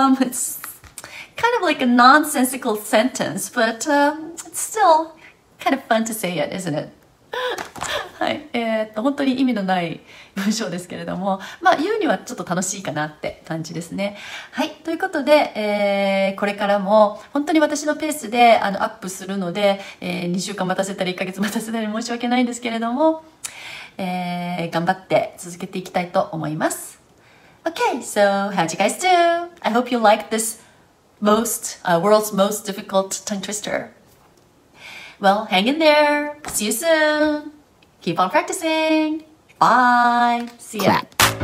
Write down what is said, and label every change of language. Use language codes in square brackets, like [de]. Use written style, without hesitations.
[en] It's kind of like a nonsensical sentence, but it's still kind of fun to say it, isn't it? [ja] はい、本当に意味のない文章ですけれども、まあ、言うにはちょっと楽しいかなって感じですね。はい、ということで、これからも本当に私のペースでアップするので、2週間待たせたり1ヶ月待たせたり申し訳ないんですけれども、頑張って続けていきたいと思います。 [en] Okay, so how'd you guys do? I hope you like this world's most difficult tongue twisterWell, hang in there. See you soon. Keep on practicing. Bye. See ya. Clap.